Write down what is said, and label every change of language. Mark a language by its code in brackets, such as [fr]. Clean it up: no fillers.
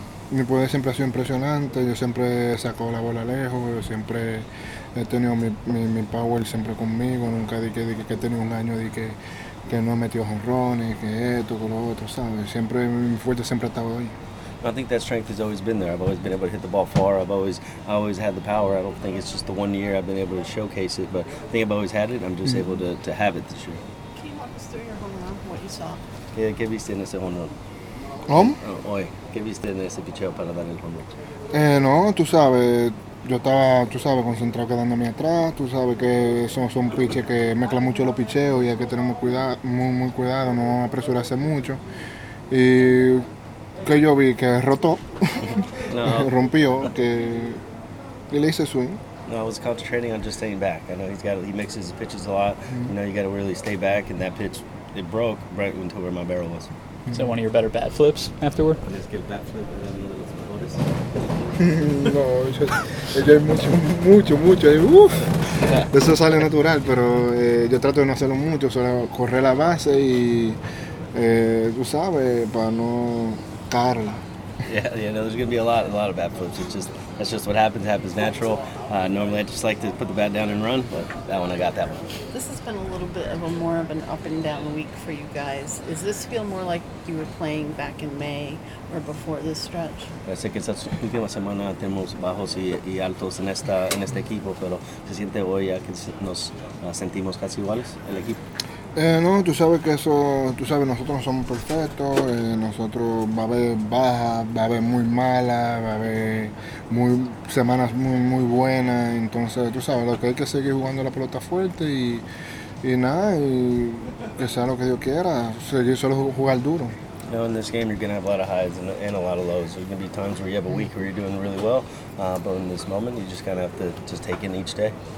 [es] Mi poder siempre ha sido impresionante, yo siempre saco la bola lejos, yo siempre he tenido mi power siempre conmigo, nunca dije que he tenido un año de que no he metido jonrones, que esto, que lo otro, ¿sabes? Siempre mi fuerte siempre ha estado ahí. [en] I think that strength has always been there. I've always been able to hit the ball far. I always had the power. I don't think it's just the one year I've been able to showcase it, but I think I've always had it. I'm just able to have it this year. Can you walk us through your home run, what you saw? [es] ¿Qué viste en ese [en] home [es] run? ¿Cómo? Hoy. ¿Qué viste en ese picheo para dar el home run? No, tú sabes. Yo estaba, tú sabes, concentrado quedándome atrás. Tú sabes que son piches que mezclan mucho los picheos y hay que tener muy cuidado, no apresurarse mucho. Y que yo vi que rotó, rompió, que y le hice swing. [en] No, I was concentrating on just staying back. I know he mixes his pitches a lot. Mm-hmm. You know, you got to really stay back, and that pitch, it broke right into where my barrel was. Mm-hmm. Is that one of your better bat flips afterward? Just get a bat flip and then a little bonus. [es] No, yo hay mucho, uff. Eso sale natural, pero yo trato de no hacerlo mucho, solo correr la base y, tú sabes, para no... [en] Yeah, you know, there's going to be a lot of bat flips. It's just, that's just what happens. It happens natural. Normally, I just like to put the bat down and run, but that one, I got that one. This has been a little bit of a more of an up and down week for you guys. Does this feel more like you were playing back in May or before this stretch? [es] Parece que esta última semana tenemos bajos y altos en este equipo, pero se siente hoy ya que nos sentimos casi iguales el equipo. No, tú sabes que eso, tú sabes, nosotros no somos perfectos, nosotros va a haber bajas, va a haber muy malas, va a haber muy semanas muy buenas, entonces tú sabes, lo que hay que seguir jugando la pelota fuerte y nada, y que sea lo que Dios quiera, seguir solo jugar duro. [en] You know, in this game, you're going to have a lot of highs and a lot of lows. There's going to be times where you have a week where you're doing really well, but in this moment, you just kind of have to just take in each day.